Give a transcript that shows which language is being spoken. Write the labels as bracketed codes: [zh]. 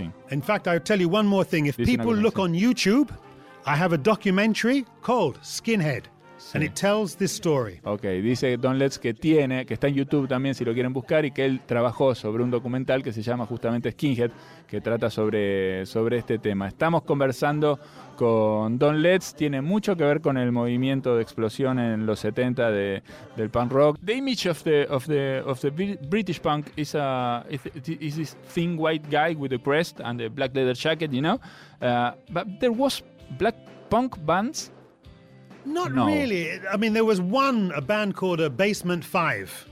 [en] In fact, I'll tell you one more thing. If people look on YouTube, I have a documentary called Skinhead, and it tells this story. [es] Okay, dice Don Letts que está en YouTube también si lo quieren buscar, y que él trabajó sobre un documental que se llama justamente Skinhead, que trata sobre este tema. Estamos conversando con Don Letts, tiene mucho que ver con el movimiento de explosión en los 70 del punk rock. [en] The image of the British punk is this thin white guy with a crest and a black leather jacket, you know? But there was black punk bands? Not really. I mean, there was one, a band called Basement 5.